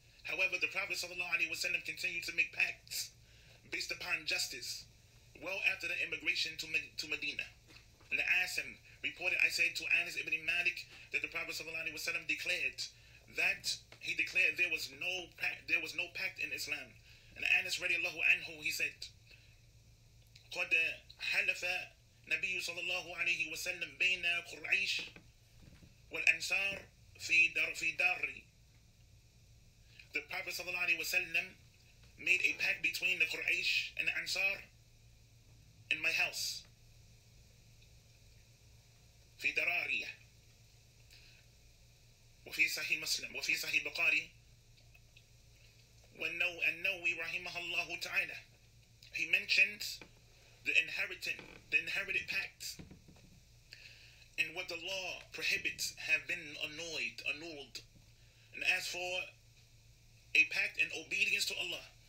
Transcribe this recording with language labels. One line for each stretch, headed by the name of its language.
English: However, the Prophet sallallahu alaihi wasallam continued to make pacts based upon justice well after the immigration to Medina. And the Asim reported, I said to Anas ibn Malik that the Prophet sallallahu alaihi wasallam declared that he declared there was no pact in Islam. And Anas radiallahu anhu, he said,
Arabic: قد حلف نبي صلى الله عليه وسلم بين قريش والأنصار في داري.
English: The Prophet صلى الله عليه وسلم made a pact between the Quraysh and the Ansar in my house.
Arabic: في دراري. وفي صحيح مسلم وفي صحيح بقاري. والنووي رحمه الله تعالى,
English: he mentions the inherited pact, and what the law prohibits have been annulled. And as for a pact in obedience to Allah,